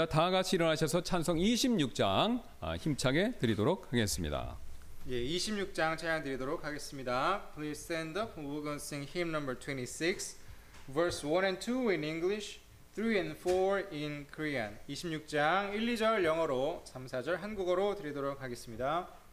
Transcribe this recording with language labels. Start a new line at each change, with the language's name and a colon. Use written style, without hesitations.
Korean: 다 같이 일어나셔서 찬송 26장 힘차게 드리도록 하겠습니다. 예, 26장 찬양 드리도록 하겠습니다.
English: Please stand up. We're going to sing hymn number 26, verse 1 and 2 in English, 3 and 4 in Korean.
Korean: 26장 1, 2절 영어로, 3, 4절 한국어로 드리도록 하겠습니다.